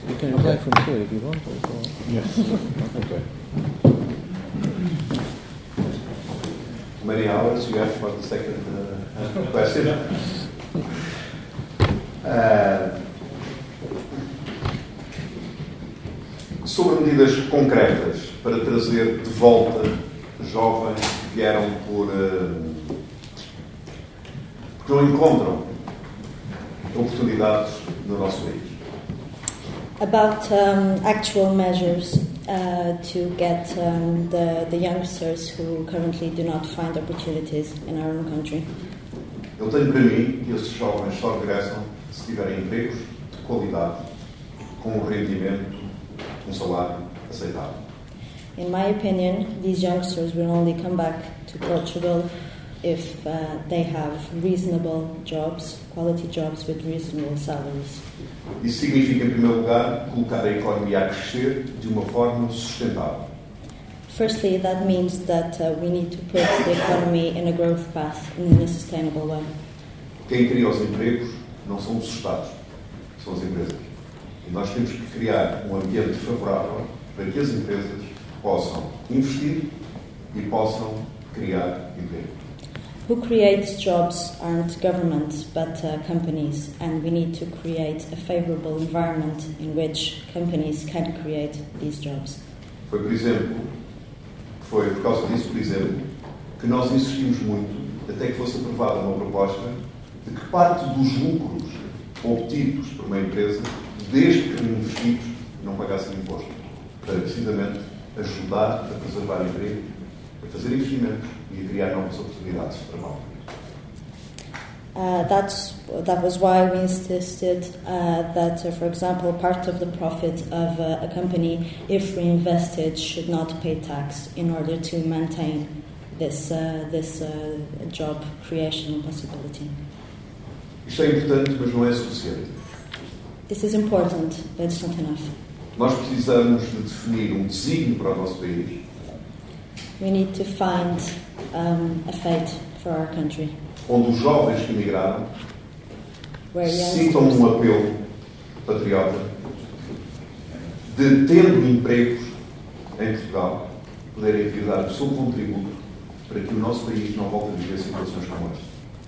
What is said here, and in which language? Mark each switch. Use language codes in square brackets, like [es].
[en] You can reply from here if you want. Yes. Okay. How many hours you have for the second question? [pt] Sobre medidas concretas para trazer de volta jovens que vieram por que não encontram oportunidades no nosso país. [en] About actual measures to get the youngsters who currently do not find opportunities in our own country. [pt] Eu tenho para mim que esses jovens só regressam se tiverem empregos de qualidade, com um rendimento, um salário aceitável. [en] In my opinion, these youngsters will only come back to Portugal if they have reasonable jobs, quality jobs with reasonable salaries. [pt] Isso significa, em primeiro lugar, colocar a economia a crescer de uma forma sustentável. [en] Firstly, that means that we need to put the economy in a growth path in a sustainable way. [pt] Quem cria os empregos não são os Estados, são as empresas. E nós temos que criar um ambiente favorável para que as empresas possam investir e possam criar emprego. [en] Who creates jobs aren't governments, but companies, and we need to create a favorable environment in which companies can create these jobs. [pt] Foi, por exemplo, foi por causa disso, por exemplo, que nós insistimos muito até que fosse aprovada uma proposta de que parte dos lucros obtidos por uma empresa, desde que investidos, não pagassem imposto, para precisamente ajudar a preservar emprego, a fazer investimentos e a criar novas oportunidades para nós. [en] That was why we insisted that, for example, part of the profit of a company, if reinvested, should not pay tax in order to maintain this job creation possibility. [pt] Isto é importante, mas não é suficiente. [en] This is important, but it's not enough. [pt] Nós precisamos de definir um designio para o nosso país. [en] We need to find a fate for our country. [pt] Onde os jovens que emigraram sintam um apelo patriota de, tendo empregos em Portugal, poderem vir dar o seu contributo para que o nosso país não volte a viver situações como esta.